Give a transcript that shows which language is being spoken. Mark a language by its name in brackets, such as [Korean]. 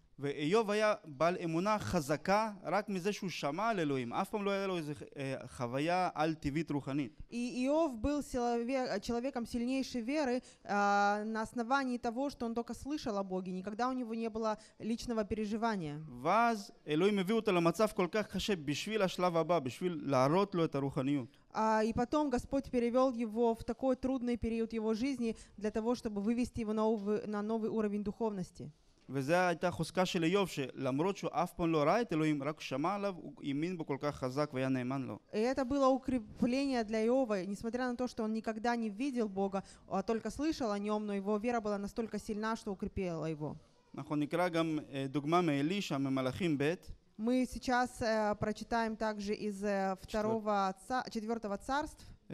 [Hebrew] ואיוב היה בעל אמונה חזקה רק מזה שהוא שמע על אלוהים. אף פעם לא היה לו איזו חוויה על טבעית רוחנית. [Russian] איוב был человеком сильнейшей веры на основании того, что он только слышал о Боге. Никогда у него не было личного переживания. [Hebrew] ואז אלוהים הביא אותו למצב כל כך קשה בשביל השלב הבא, בשביל להראות לו את הרוחניות. [Russian] И потом Господь перевел его в такой трудный период его жизни для того, чтобы вывести его на новый уровень духовности. [Hebrew] וזה הייתה חוזקה של איוב, שלמרות שהוא אף פעם לא ראה את אלוהים, רק שמע עליו, הוא ימין בו כל כך חזק והיה נאמן לו. [Russian] Это было укрепление для Иова, несмотря на то, что он никогда не видел Бога, а только слышал о нем, но его вера была настолько сильна, что укрепила его. [Hebrew] אנחנו נקרא גם דוגמה מאלישע, ממלאכים ב'. [Russian] Мы сейчас прочитаем также из 4 царств.